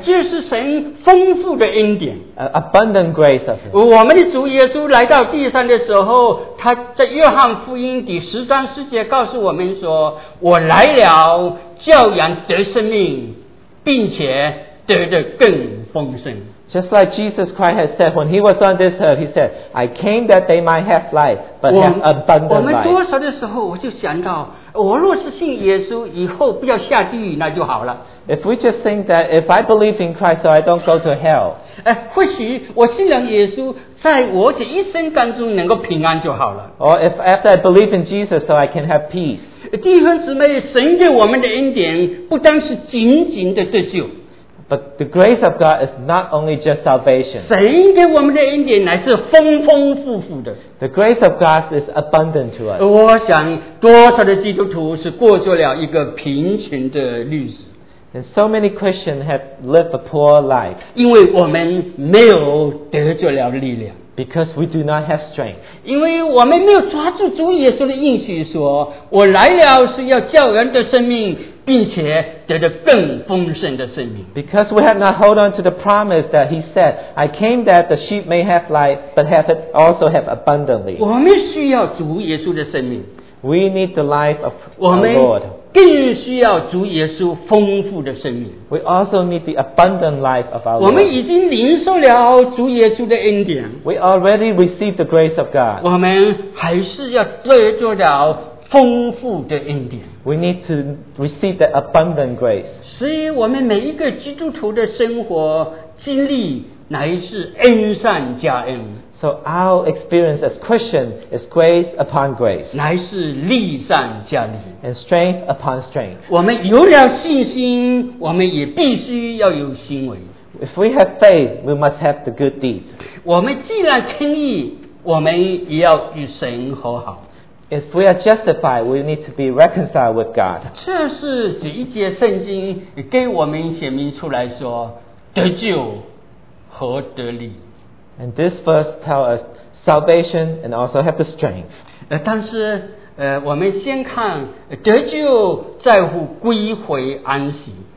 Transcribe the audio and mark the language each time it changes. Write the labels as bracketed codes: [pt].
[zh] 这是神丰富的恩典。 [en] Abundant grace of him. [zh] 我们的主耶稣来到地上的时候，他在约翰福音第十章十节告诉我们说，我来了教养得生命，并且得的更丰盛。 [en] Just like Jesus Christ had said when he was on this earth, he said, I came that they might have life, but have abundant life. [zh] 我们多少的时候我就想到，我若是信耶稣以后不要下地狱那就好了。 [en] If we just think that if I believe in Christ, so I don't go to hell. [zh] 或许我信了耶稣在我这一生当中能够平安就好了。 [en] Or if after I believe in Jesus, so I can have peace. [zh] 弟兄姊妹，神给我们的恩典不单是仅仅的得救。 [en] But the grace of God is not only just salvation. [zh] 神给我们的恩典乃是丰丰富富的。 [en] The grace of God is abundant to us. [zh] 我想多少的基督徒是过着了一个贫穷的日子。 [en] And so many Christians have lived a poor life. [zh] 因为我们没有得着了力量。 [en] Because we do not have strength. [zh] 因为我们没有抓住主耶稣的应许说，我来了是要叫人的生命并且得着更丰盛的生命。 [en] Because we have not hold on to the promise that he said, I came that the sheep may have life, but have it also have abundantly. [zh] 我们需要主耶稣的生命。 [en] We need the life of the Lord. [zh] 更需要主耶稣丰富的生命。 [en] We also need the abundant life of our Lord. [zh] 我们已经领受了主耶稣的恩典。 [en] We already received the grace of God. [zh] 我们还是要得着了丰富的恩典。 [en] We need to receive the abundant grace. [zh] 所以我们每一个基督徒的生活经历乃是恩上加恩。 [en] So our experience as Christian is grace upon grace. [zh] 乃是力上加力。 [en] And strength upon strength. [zh] 我们有了信心，我们也必须要有行为。 [en] If we have faith, we must have the good deeds. [zh] 我们既然称义，我们也要与神和好。 [en] If we are justified, we need to be reconciled with God. [zh] 这是这一节圣经给我们显明出来说，得救和得力。 [en] And this verse tells us salvation and also have the strength. [zh] 但是我们先看得救在乎归回安息。